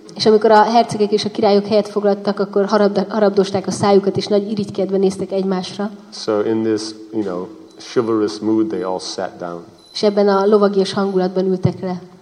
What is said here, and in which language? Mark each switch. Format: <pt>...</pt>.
<hu>És amikor a hercegek és a királyok helyet foglaltak, akkor harabdosták a szájukat és nagy irigykedve néztek egymásra.</hu> <en>So in this, chivalrous mood, they all sat down.</en> <hu>És ebben a lovagias hangulatban ültek le.</hu>